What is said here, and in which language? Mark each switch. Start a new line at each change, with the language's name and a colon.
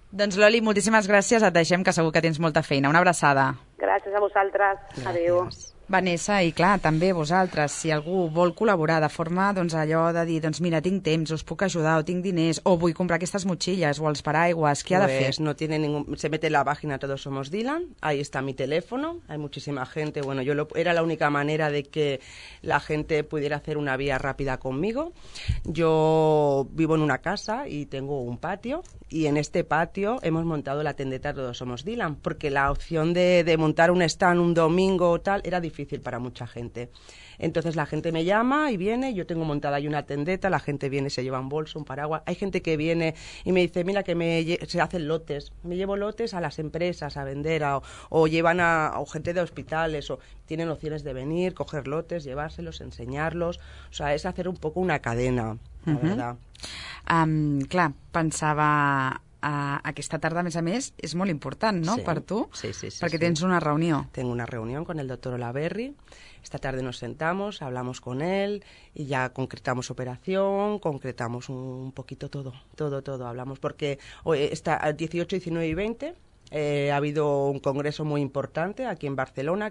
Catalan: Doncs Loli, moltíssimes gràcies, et deixem, que segur que tens molta feina. Una abraçada. Gràcies a vosaltres. Gràcies. Adéu. Vanessa, i clar, també vosaltres, si algú vol col·laborar de forma, doncs allò de dir, doncs mira, tinc temps, us puc ajudar, o tinc diners, o vull comprar aquestes motxilles, o els paraigües, què
Spanish: pues,
Catalan: ha de fer?
Spanish: No tiene ningún... Se mete la página Todos Somos Dylan, ahí está mi teléfono, hay muchísima gente, bueno, yo era la única manera de que la gente pudiera hacer una vía rápida conmigo. Yo vivo en una casa y tengo un patio, y en este patio hemos montado la tendeta Todos Somos Dylan, porque la opción de montar un stand un domingo o tal, era difícil para mucha gente. Entonces la gente me llama y viene, yo tengo montada ahí una tendeta, la gente viene, se lleva un bolso, un paraguas, hay gente que viene y me dice, mira que se hacen lotes, me llevo lotes a las empresas a vender, o llevan a gente de hospitales, o tienen opciones de venir, coger lotes, llevárselos, enseñarlos, o sea, es hacer un poco una cadena, la verdad.
Catalan: Clar, pensava aquesta tarda, a més, és molt important, no?, sí, per tu, sí, sí, sí, perquè sí, tens una reunió.
Spanish: Tengo una reunión con el doctor Olaverri. Esta tarde nos sentamos, hablamos con él y ya concretamos operación, concretamos un poquito todo, todo, todo. Hablamos porque hoy está 18, 19 y 20... ha habido un congreso muy importante aquí en Barcelona.